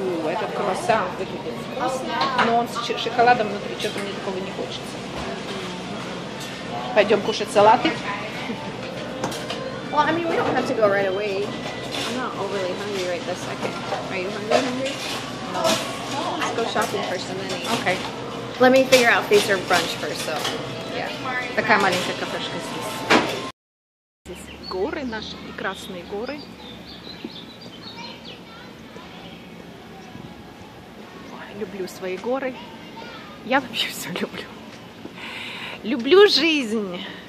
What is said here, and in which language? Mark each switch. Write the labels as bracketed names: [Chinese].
[Russian] Этот круассан выглядит вкусно, но он с шоколадом внутри, что-то мне такого не хочется. Пойдем кушать салаты. [English] Well, I mean, we don't have to go right away. I'm not overly hungry right this second. Are you hungry? No. Let's go shopping first and then eat. Okay. Let me figure out if these are brunch first, though. Yeah. [Russian] Такая маленькая кафешка здесь. Здесь горы, наши прекрасные горы. Люблю свои горы. Я вообще все люблю. Люблю жизнь.